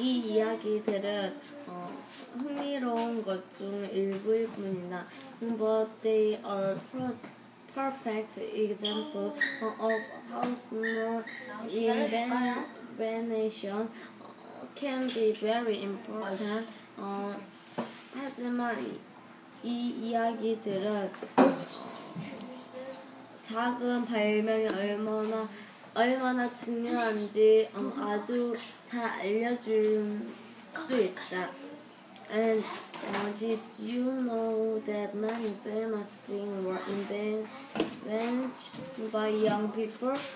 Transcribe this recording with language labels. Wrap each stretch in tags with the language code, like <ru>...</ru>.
<ko>이 이야기들은 흥미로운 것 중 일부일 뿐이다.</ko> <en>But they are perfect examples of how small invention can be very important.</en> <ko>하지만 이 이야기들은 작은 발명이 얼마나 중요한지 아주 잘 알려줄 수 있다.</ko> <en>And did you know that many famous things were invented by young people?</en>